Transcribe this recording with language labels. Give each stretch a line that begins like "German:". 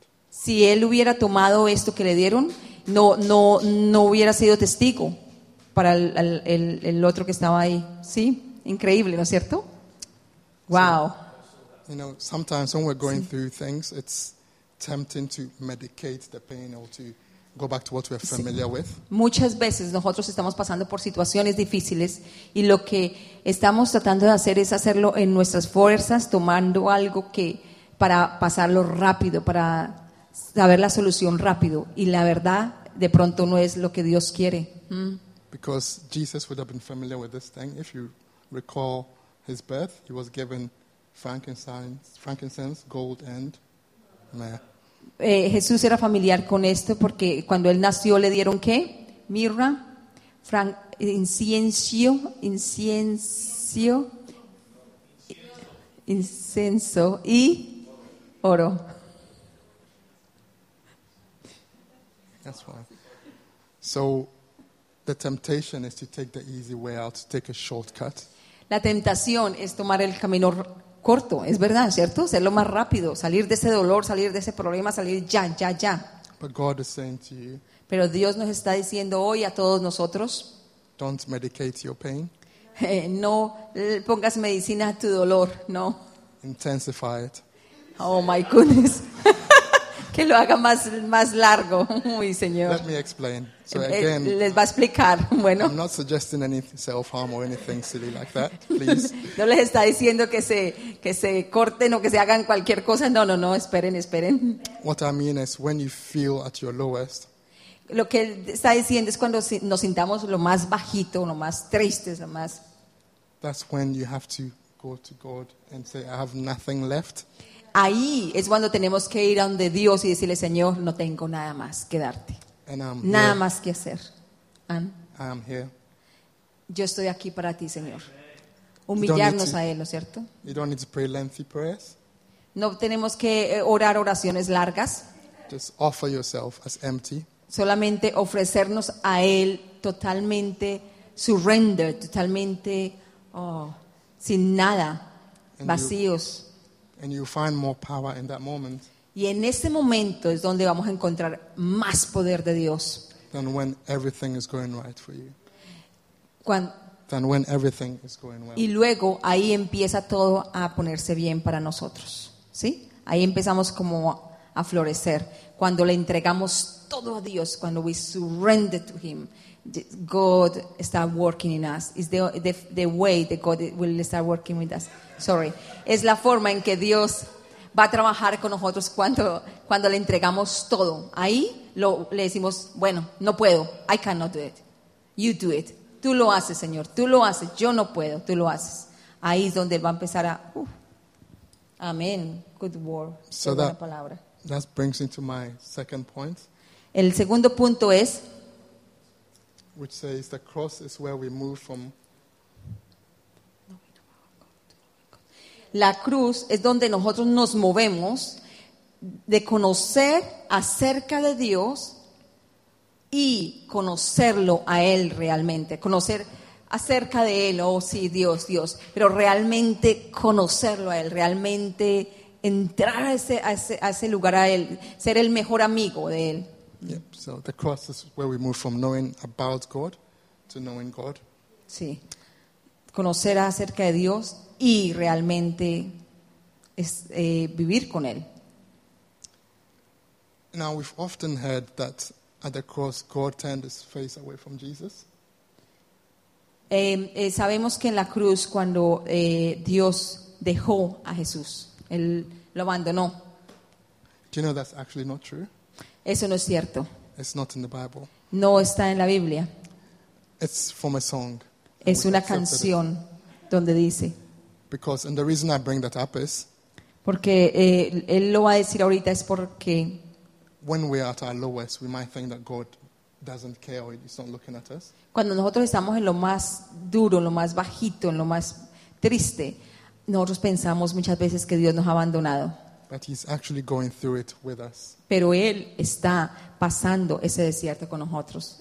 Spanish: Si él hubiera tomado esto que le dieron, no hubiera sido testigo para el otro que estaba ahí. Sí, increíble, ¿no es cierto? Wow.
English: You know, sometimes when we're going through things, it's tempting to medicate the pain or to go back to what we're familiar with.
Spanish: Muchas veces nosotros estamos pasando por situaciones difíciles y lo que estamos tratando de hacer es hacerlo en nuestras fuerzas, tomando algo que para pasarlo rápido, para saber la solución rápido. Y la verdad, de pronto no es lo que Dios quiere.
English: Because Jesus would have been familiar with this thing. If you recall his birth, he was given frankincense, gold and myrrh.
Spanish: Jesús era familiar con esto porque cuando él nació le dieron ¿qué? Mirra, incienso y oro.
English: That's fine. So the temptation is to take the easy way out, to take a shortcut.
Spanish: La tentación es tomar el camino corto, es verdad, ¿cierto? Ser lo más rápido, salir de ese dolor, salir de ese problema, salir ya.
English: But God is saying to you,
Spanish: pero Dios nos está diciendo hoy a todos nosotros,
English: don't medicate your pain.
Spanish: No pongas medicina a tu dolor, no.
English: Intensify it. Oh my goodness.
Spanish: Que lo haga más largo. Uy, Señor.
English: Let me explain. So again,
Spanish: les va a explicar. Bueno.
English: I'm not suggesting any self-harm or anything silly like that. Please.
Spanish: No les está diciendo que se corten o que se hagan cualquier cosa. No, esperen.
English: What I mean is when you feel at your lowest.
Spanish: Lo que está diciendo es cuando nos sintamos lo más bajito, lo más tristes, lo más.
English: That's when you have to go to God and say I have nothing left.
Spanish: Ahí es cuando tenemos que ir a donde Dios y decirle, Señor, no tengo nada más que darte. Nada
English: here.
Spanish: Más que hacer.
English: I am here.
Spanish: Yo estoy aquí para ti, Señor. Humillarnos a Él, ¿no es cierto?
English: You don't need to pray lengthy prayers.
Spanish: No tenemos que orar oraciones largas.
English: Just offer yourself as empty.
Spanish: Solamente ofrecernos a Él totalmente surrendered, totalmente sin nada,
English: and
Spanish: vacíos.
English: And you find more power in that moment.
Spanish: Y en ese momento es donde vamos a encontrar más poder de Dios.
English: Than when everything is going right for you. Than when everything is going well.
Spanish: Y luego ahí empieza todo a ponerse bien para nosotros, ¿sí? Ahí empezamos como a florecer. Cuando le entregamos todo a Dios, cuando
English: we surrender to Him, God start working in us. It's the way that God will start working with us. Sorry.
Spanish: Es la forma en que Dios va a trabajar con nosotros cuando le entregamos todo. Ahí le decimos, bueno, no puedo.
English: I cannot do it. You do it.
Spanish: Tú lo haces, Señor. Tú lo haces. Yo no puedo. Tú lo haces. Ahí es donde va a empezar a... Amén.
English: Good word. So that, palabra. That brings into my second point.
Spanish: El segundo punto es...
English: Which says the cross is where we move from...
Spanish: La cruz es donde nosotros nos movemos de conocer acerca de Dios y conocerlo a Él realmente. Conocer acerca de Él, oh sí, Dios, Dios. Pero realmente conocerlo a Él, realmente entrar a ese lugar a Él, ser el mejor amigo de Él.
English: Yep. So the cross is where we move from knowing about God to knowing God.
Spanish: Sí. Conocer acerca de Dios y realmente es vivir con Él.
English: Now we've often heard that at the cross God turned His face away from Jesus.
Spanish: Sabemos que en la cruz cuando Dios dejó a Jesús, Él lo abandonó.
English: Do you know that's actually not true?
Spanish: Eso no es cierto.
English: It's not in the Bible.
Spanish: No está en la Biblia.
English: It's from a song.
Spanish: Es una canción donde dice.
English: Because and the reason I bring that up is.
Spanish: Porque él lo va a decir ahorita es porque.
English: When we are at our lowest, we might think that God doesn't care or He's not looking at us.
Spanish: Cuando nosotros estamos en lo más duro, en lo más bajito, en lo más triste, nosotros pensamos muchas veces que Dios nos ha abandonado.
English: But He's actually going through it with us.
Spanish: Pero Él está pasando ese desierto con nosotros.